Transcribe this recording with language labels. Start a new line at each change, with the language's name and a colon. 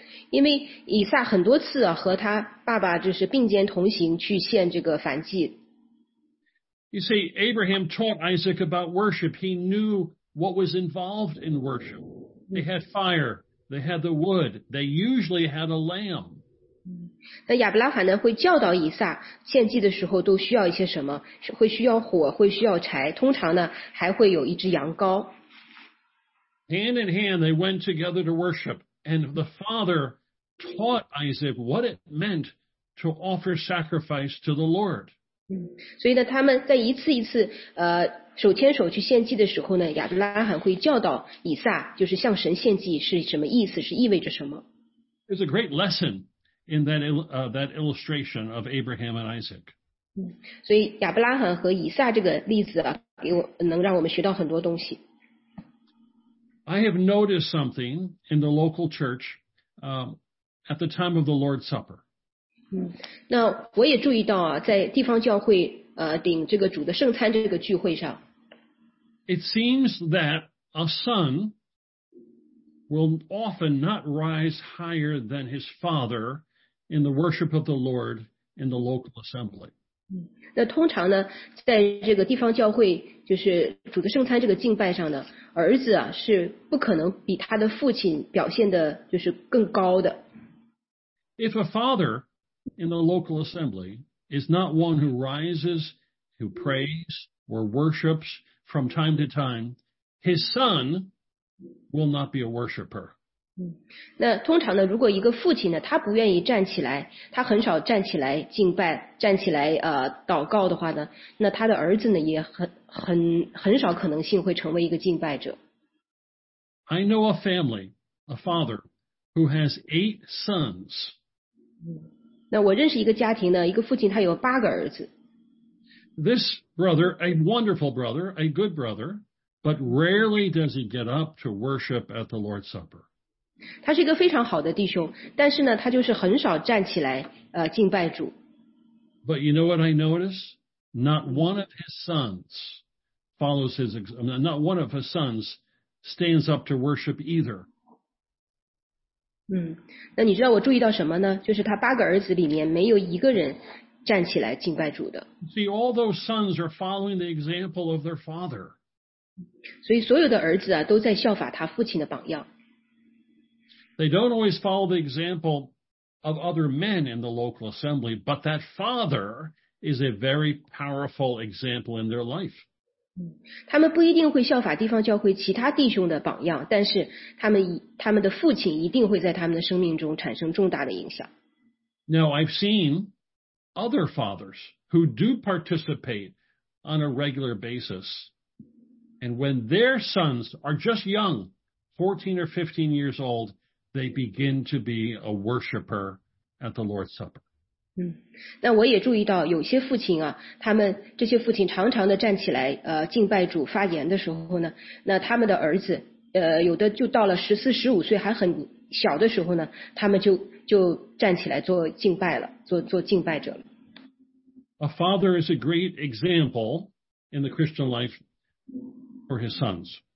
Chinese: 因为以撒很多次啊和他爸爸就是并肩同行去献这个燔祭。
English: You see, Abraham taught Isaac about worship. He knew what was involved in worship. They had fire. They had the wood. They usually had a lamb.
Chinese: 那亚伯拉罕呢会教导以撒献祭的时候都需要一些什么，会需要火，会需要柴，通常呢还会有一只羊羔。
English: Hand in hand, they went together to worship, and the father taught Isaac what it meant to offer sacrifice to the Lord.
Chinese: 所以呢，他们在一次一次手牵手去献祭的时候呢，亚伯拉罕会教导以撒，就是向神献祭是什么意思，是意味着什么。
English: There's a great lesson in that illustration of Abraham and Isaac.
Chinese: 所以亚伯拉罕和以撒这个例子啊，能让我们学到很多东西。
English: I have noticed something in the local church at the time of the Lord's Supper.
Chinese: 那我也注意到啊，在地方教会顶这个主的圣餐这个聚会上。
English: It seems that a son will often not rise higher than his father in the worship of the Lord in the local assembly.
Chinese: 那通常呢，在这个地方教会就是主的圣餐这个敬拜上呢。儿子啊，是不可能比他的父亲表现的，就是更高的。
English: If a father in the local assembly is not one who rises, who prays or worships from time to time, his son will not be a worshiper.
Chinese: 那通常呢，如果一个父亲呢，他不愿意站起来，他很少站起来敬拜，站起来祷告的话呢，那他的儿子呢，也很少可能性会成为一个敬拜者。
English: I know a family, a father, who has 8 sons.
Chinese: 那我认识一个家庭呢，一个父亲他有八个儿子。
English: This brother, a wonderful brother, a good brother, but rarely does he get up to worship at the Lord's Supper.
Chinese: 他是一个非常好的弟兄，但是呢，他就是很少站起来敬拜主。
English: But you know what I notice? Not one of his sons follows his example. Not one of his sons stands up to worship either.
Chinese: 那你知道我注意到什么呢？就是他八个儿子里面没有一个人站起来敬拜主的。
English: See, all those sons are following the example of their father.
Chinese: 所以所有的儿子啊，都在效法他父亲的榜样。
English: They don't always follow the example of other men in the local assembly, but that father. Is a very powerful example in their life.
Chinese: 他们不一定会效法地方教会其他弟兄的榜样，但是他们的父亲一定会在他们的生命中产生重大的影响。
English: Now I've seen other fathers who do participate on a regular basis And when their sons are just young, 14 or 15 years old, they begin to be a worshiper at the Lord's Supper.
Chinese: 那我也注意到有些父亲啊，他们这些父亲常常的站起来敬拜主发言的时候呢，那他们的儿子有的就到了14、15岁还很小的时候呢，他们就站起来做敬拜了，做敬拜者了。A
English: father is a great example in the Christian life for his sons.